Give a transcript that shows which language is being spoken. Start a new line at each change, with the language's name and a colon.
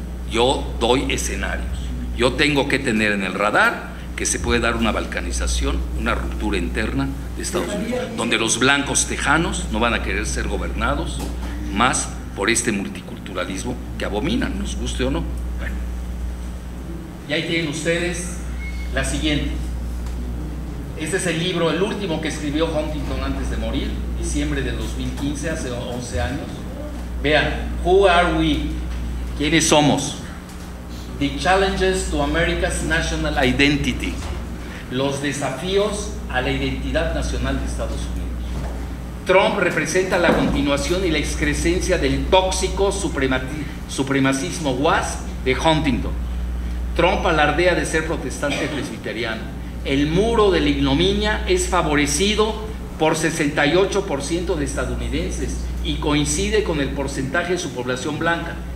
Spanish: Yo doy escenarios. Yo tengo que tener en el radar que se puede dar una balcanización, una ruptura interna de Estados Unidos, donde los blancos tejanos no van a querer ser gobernados más por este multiculturalismo que abominan, nos guste o no. Bueno. Y ahí tienen ustedes la siguiente. Este es el libro, el último que escribió Huntington antes de morir, diciembre de 2015, hace 11 años. Vean,
English: Who Are We?
Spanish: ¿Quiénes somos?
English: The Challenges to America's National Identity.
Spanish: Los desafíos a la identidad nacional de Estados Unidos. Trump representa la continuación y la excrescencia del tóxico supremacismo WASP de Huntington. Trump alardea de ser protestante presbiteriano. El muro de la ignominia es favorecido por 68% de estadounidenses y coincide con el porcentaje de su población blanca.